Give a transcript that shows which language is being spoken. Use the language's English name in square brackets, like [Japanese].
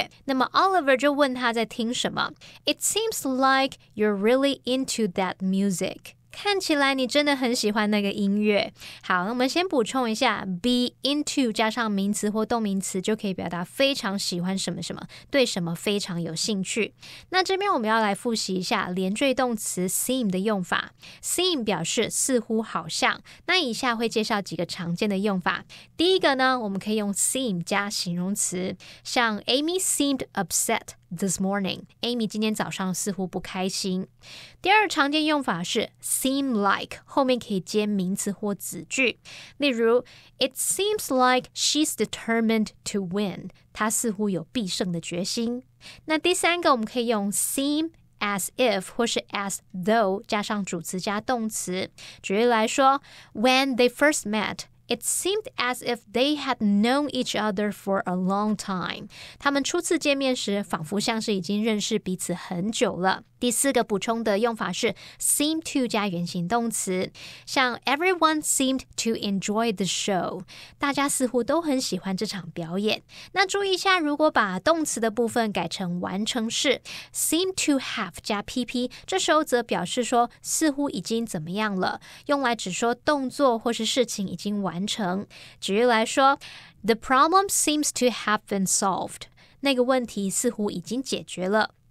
[English] It seems like you're really into that music. [Chinese] 看起来你真的很喜欢那个音乐。好，我们先补充一下 ，be into 加上名词或动名词就可以表达非常喜欢什么什么，对什么非常有兴趣。那这边我们要来复习一下连缀动词 seem 的用法。 seem 表示似乎、好像。那以下会介绍几个常见的用法。第一个呢，我们可以用 seem 加形容词，像 [English] Amy seemed upset。 This morning, Amy [Chinese] 今天早上似乎不开心。第二常见用法是 seem like, 后面可以接名词或子句。 [English] 例如 ,it seems like she's determined to win, [Chinese] 她似乎有必胜的决心。那第三个我们可以用 seem as if, 或是 as though, 加上主词加动词。举例来说 [English] ,when they first met,It seemed as if they had known each other for a long time. [Chinese] 他们初次见面时仿佛像是已经认识彼此很久了。第四个补充的用法是 seem to 加原形动词。像 [English] everyone seemed to enjoy the show. [Chinese] 大家似乎都很喜欢这场表演。那注意一下如果把动词的部分改成完成式 seem to have 加 PP, 这时候则表示说似乎已经怎么样了。用来只说动作或是事情已经完成。举例来说 [English] ,the problem seems to have been solved. [Chinese] 那个问题似乎已经解决了。